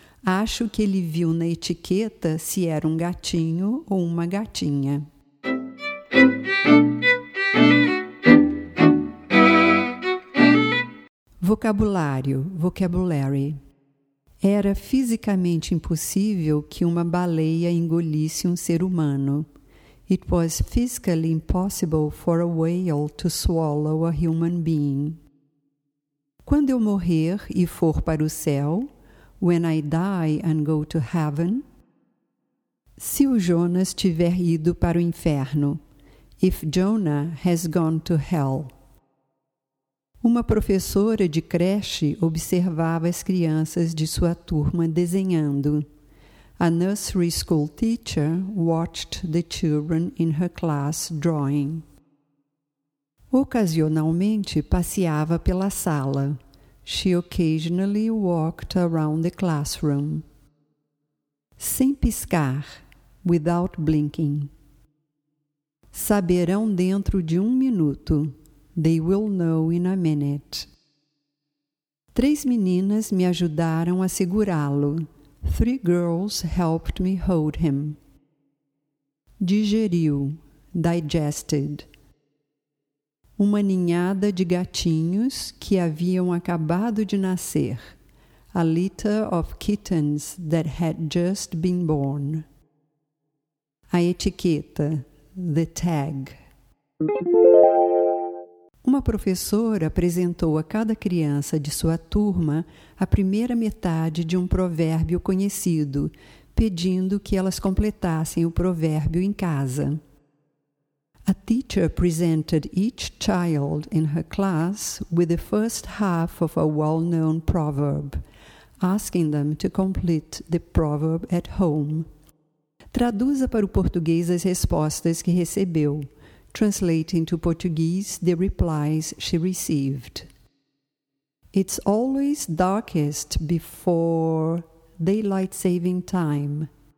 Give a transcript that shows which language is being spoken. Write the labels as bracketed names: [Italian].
[Portuguese] "Acho que ele viu na etiqueta se era um gatinho ou uma gatinha." Vocabulary. Era fisicamente impossível que uma baleia engolisse um ser humano. [English] It was physically impossible for a whale to swallow a human being. [Portuguese] Quando eu morrer e for para o céu, [English] when I die and go to heaven, [Portuguese] se o Jonas tiver ido para o inferno, [English] if Jonah has gone to hell. [Portuguese] Uma professora de creche observava as crianças de sua turma desenhando. [English] A nursery school teacher watched the children in her class drawing. [Portuguese] Ocasionalmente passeava pela sala. [English] She occasionally walked around the classroom. [Portuguese] Sem piscar, [English] without blinking. [Portuguese] Saberão dentro de um minuto. [English] They will know in a minute. [Portuguese] Três meninas me ajudaram a segurá-lo. [English] Three girls helped me hold him. [Portuguese] Digeriu, digested. Uma ninhada de gatinhos que haviam acabado de nascer. [English] A litter of kittens that had just been born. [Portuguese] A etiqueta, [English] the tag. [Portuguese] Uma professora apresentou a cada criança de sua turma a primeira metade de um provérbio conhecido, pedindo que elas completassem o provérbio em casa. [English] A teacher presented each child in her class with the first half of a well-known proverb, asking them to complete the proverb at home. [Portuguese] Traduza para o português as respostas que recebeu. [English] Translate into Portuguese the replies she received. It's always darkest before daylight saving time.